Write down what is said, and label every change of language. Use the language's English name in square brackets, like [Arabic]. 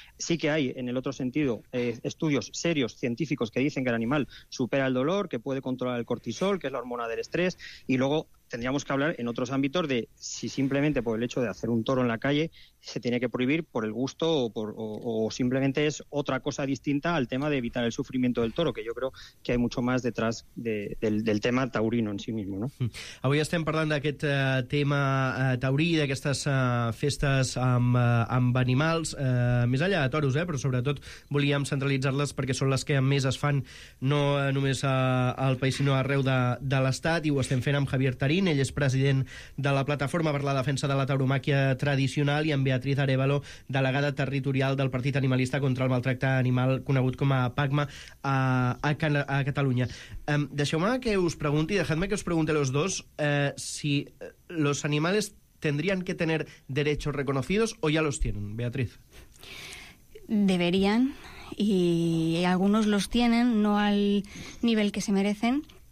[Spanish] Sí que hay, en el otro sentido, estudios serios, científicos, que dicen que el animal supera el dolor, que puede controlar el cortisol, que es la hormona del estrés, y luego tendríamos que hablar en otros ámbitos de si simplemente por el hecho de hacer un toro en la calle se tiene que prohibir por el gusto o simplemente es otra cosa distinta al tema de evitar el sufrimiento del toro, que yo creo que hay mucho más detrás del tema taurino en sí mismo, ¿no? [Catalan] Avui estem parlant d'aquest tema taurí, d'aquestes festes amb animals, més enllà de toros, però sobretot volíem centralitzar-les perquè són les que més es fan, no només al país, sinó arreu de l'Estat, i ho estem fent amb Javier Tarín. Ell és president de la Plataforma per la Defensa de la Tauromàquia Tradicional, i amb Beatriz Arévalo, delegada territorial del Partit Animalista contra el Maltracte Animal, conegut com a PACMA, a Catalunya. Deixeu-me que us pregunti, [Spanish] deixeu-me que us pregunti a los dos, si los animales tendrían que tener derechos reconocidos o ya los tienen, Beatriz. Deberían, y algunos los tienen, no al nivel que se merecen.